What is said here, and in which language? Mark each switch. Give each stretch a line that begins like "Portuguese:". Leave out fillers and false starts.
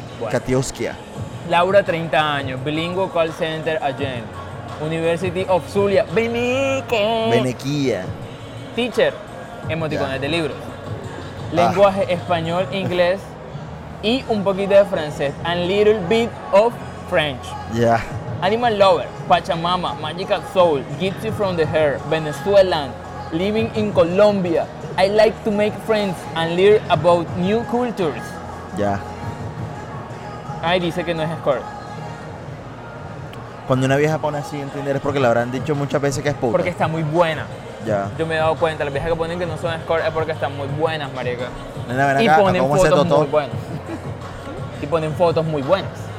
Spanish: Katioskia.
English: Laura,
Spanish: 30 años.
English: Bilingual call center agent. University of Zulia.
Spanish: Benequia. Teacher. Emoticones de libros. Lenguaje español, inglés. Y un poquito de francés.
English: And little bit of French. Yeah. Animal lover, Pachamama, Magical Soul, Gypsy from the Hair, Venezuelan, living in Colombia. I like to make friends and learn about new cultures.
Spanish: Ya. Ay, dice que no es escort. Cuando una vieja pone así en Tinder es porque le habrán dicho muchas veces que es puta. Porque está muy buena. Ya. Yo me he dado cuenta, las viejas que ponen que no son escort es porque están muy buenas, marica. Nena, ven acá, y ponen fotos muy buenas. Y ponen fotos muy buenas.